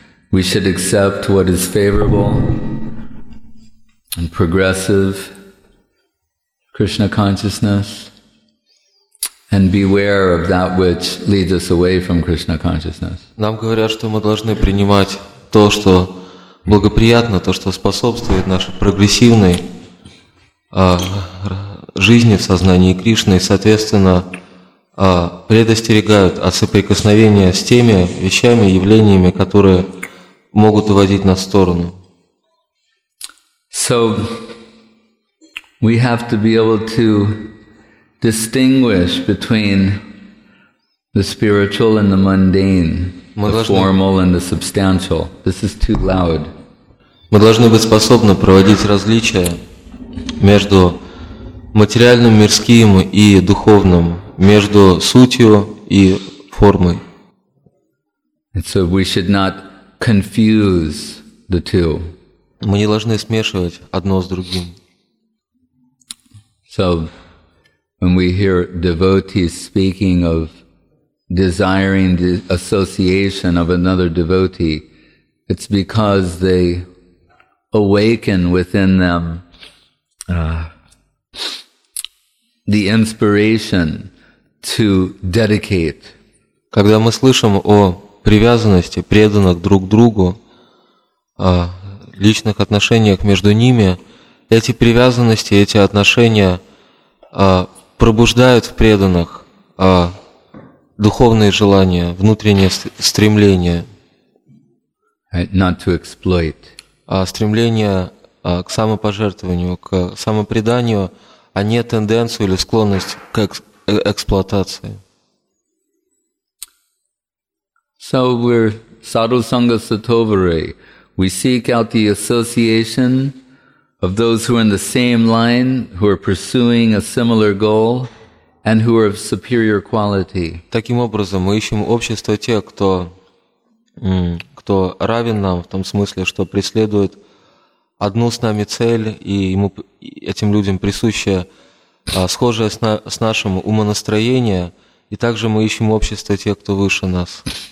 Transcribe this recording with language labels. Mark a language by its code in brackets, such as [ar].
[en] We should accept what is favorable and progressive Krishna consciousness and beware of that which leads us away from Krishna consciousness. [ru] Нам говорят, что мы должны принимать то, что благоприятно, то, что способствует нашей прогрессивной жизни в сознании Кришны, и, соответственно, предостерегают от соприкосновения с теми вещами, явлениями, которые могут уводить нас в сторону. [en] So, we have to be able to distinguish between the spiritual and the mundane, the formal and the substantial. This is too loud. [ru] Мы должны быть способны проводить различия между материальным, мирским и духовным, между сутью и формой. [en] And so we should not confuse the two. [ru] Мы не должны смешивать одно с другим. [en] So when we hear devotees speaking of desiring the association of another devotee, it's because they awaken within them the inspiration to dedicate. [ru] Когда мы слышим о привязанности преданных друг к другу, личных отношениях между ними, эти привязанности, эти отношения пробуждают в преданных духовные желания, внутреннее стремление. [en] Not to exploit. [ru] Стремление к самопожертвованию, к самопреданию, а не тенденцию или склонность к эксплуатации. [en] So we're sadhusanga satovare. We seek out the association of those who are in the same line, who are pursuing a similar goal, and who are of superior quality. [ru] Таким образом, мы ищем общество тех, кто равен нам в том смысле, что преследует одну с нами цель, и ему, этим людям присуще схожее с нашим умонастроение, и также мы ищем общество тех, кто выше нас.